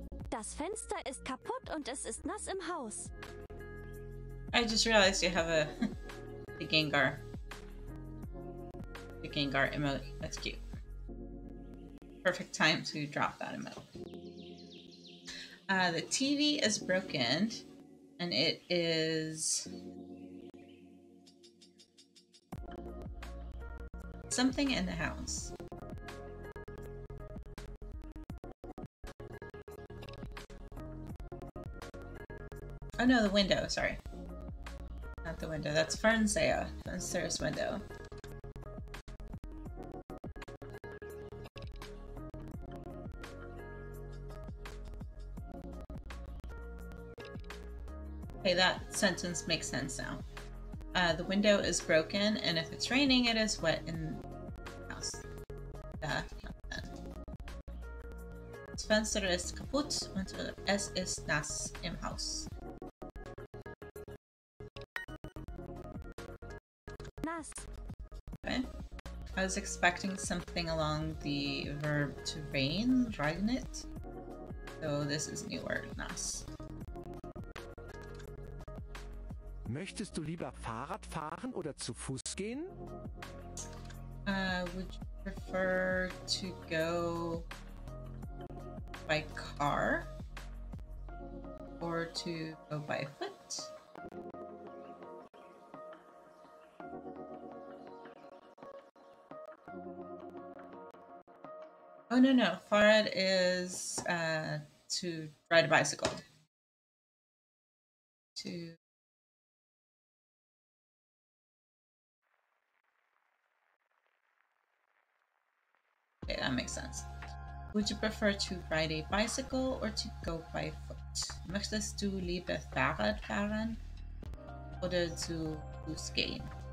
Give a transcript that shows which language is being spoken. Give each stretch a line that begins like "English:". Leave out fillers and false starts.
German: Das Fenster ist kaputt und es ist nass im Haus.
English: I just realized you have a Gengar. A Gengar emote. That's cute. Perfect time to drop that emote. The TV is broken, and it is something in the house. Oh no, the window, sorry. Not the window, that's Fernseher, Fernseher's window. Okay, that sentence makes sense now. The window is broken, and if it's raining, it is wet in the house.
German: Das Fenster ist kaputt und es ist nass im Haus. Nass.
English: Okay. I was expecting something along the verb to rain, regnet. So this is a new word, nass.
German: Möchtest du lieber Fahrrad fahren oder zu Fuß gehen?
English: Would you prefer to go by car or to go by foot? Oh no no, Fahrrad is to ride a bicycle. To Okay, that makes sense. Would you prefer to ride a bicycle or to go by foot?
German: Möchtest du lieber Fahrrad fahren oder zu Fuß gehen?